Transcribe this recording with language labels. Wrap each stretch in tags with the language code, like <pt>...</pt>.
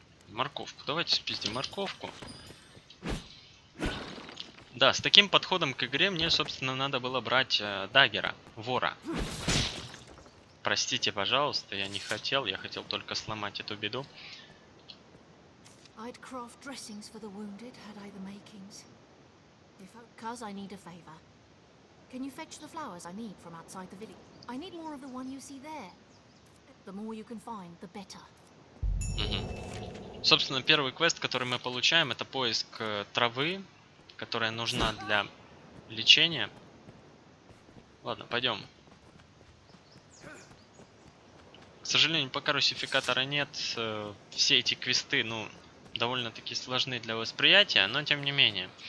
<ru>Морковку. Давайте спиздим морковку. Да, с таким подходом к игре мне, собственно, надо было брать даггера, вора. Простите, пожалуйста, я не хотел, я хотел только сломать эту беду.</ru> <en>I'd craft dressings for the wounded, had I the makings. If I cuz I need a favor. Can you fetch the flowers I need from outside the village? I need more of the one you see there. The more you can find, the better.</en> <ru>Собственно, первый квест, который мы получаем, это поиск травы, которая нужна для лечения. Ладно, пойдем. К сожалению, пока русификатора нет, все эти квесты, ну, довольно-таки сложны для восприятия, но тем не менее.</ru>